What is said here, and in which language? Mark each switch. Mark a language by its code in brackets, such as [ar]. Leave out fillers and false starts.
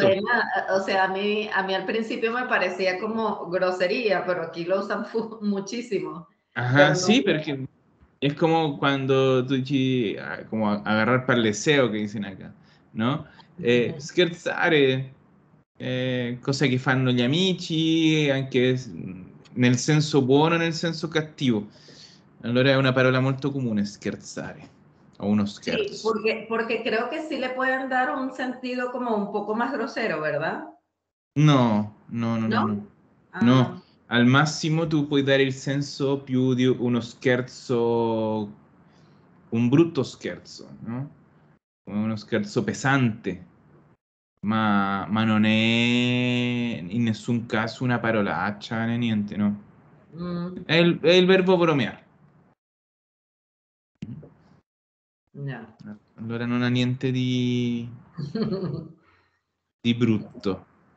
[es] Suena, o sea, a mí al principio me parecía como grosería, pero aquí lo usan muchísimo. Ajá, pero no, sí, porque es como cuando tú dices, como agarrar para el deseo que dicen acá, ¿no? [it] Scherzare, cosa que fanno gli amici, anche nel senso buono, nel senso cattivo. Allora [es] es una palabra muy común, scherzare, o uno scherzo. Sí, porque creo que sí le pueden dar un sentido como un poco más grosero, ¿verdad? No. No, al máximo tú puedes dar el [it] senso più di uno scherzo, un brutto scherzo, ¿no? Uno scherzo pesante, ma non è in nessun caso una parolaccia, né niente, no. È il verbo bromear. No. Allora non ha niente di di brutto.